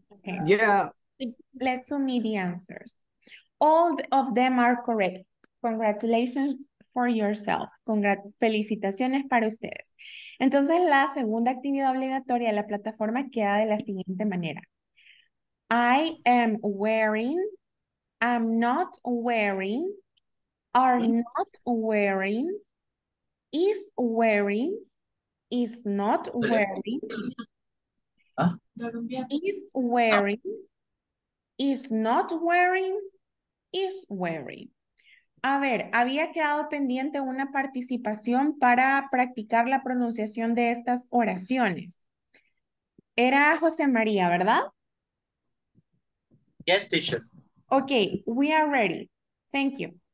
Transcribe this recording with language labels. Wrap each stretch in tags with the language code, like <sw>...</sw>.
<en>Okay. Yeah. Let's submit the answers. All of them are correct. Congratulations for yourself.</en> <es>Felicitaciones para ustedes. Entonces, la segunda actividad obligatoria de la plataforma queda de la siguiente manera.</es> <en>I am wearing, I'm not wearing, are not wearing, is wearing, is not wearing, is wearing, is not wearing, is wearing.</en> <es>A ver, había quedado pendiente una participación para practicar la pronunciación de estas oraciones. Era José María, ¿verdad?</es> <en>Yes, teacher. Okay, we are ready. Thank you.</en>